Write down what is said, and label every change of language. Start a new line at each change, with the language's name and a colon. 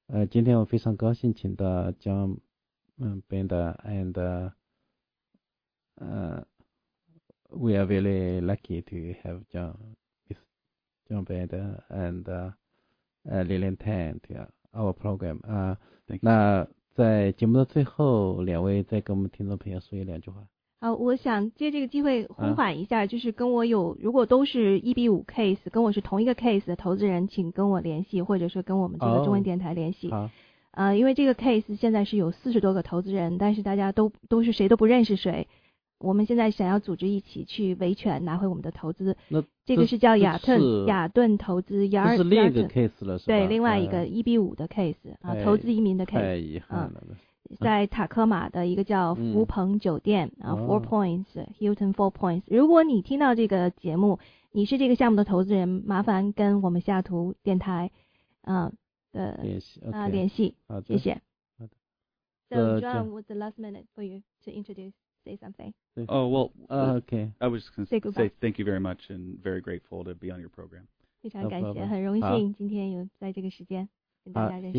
Chinese: 今天我非常高兴请到江
English: Benda and we are really lucky to have John Benda and Lilian Tan to our program。
Chinese: 那在节目的最后，两位再跟我们听众朋友说一两句话。好，我想借这个机会呼唤一下，就是跟我有如果都是1:5 case， 跟我是同一个 case 的投资人，请跟我联系，或者说跟我们这个中文电台联系。因为这个 case 现在是有40多个投资人，但是大家都是谁都不认识谁，我们现在想要组织一起去维权拿回我们的投资。那这个是叫雅顿投资，这是另一个 case 了，是吧？对，另外一个1:5的 case 啊，投资移民的 case。太遗憾了。在塔科马的一个叫福朋酒店啊 ，Four Points Hilton Four Points。如果你听到这个节目，你是这个项目的投资人，麻烦跟我们西雅图电台联系。谢谢。好的。
English: So John, what's the last minute for you to introduce, say something? Oh well, okay. I was going to say goodbye. Say thank you very much and very grateful to be on your program.
Chinese: 非常感谢，很荣幸今天有在这个时间跟大家认识。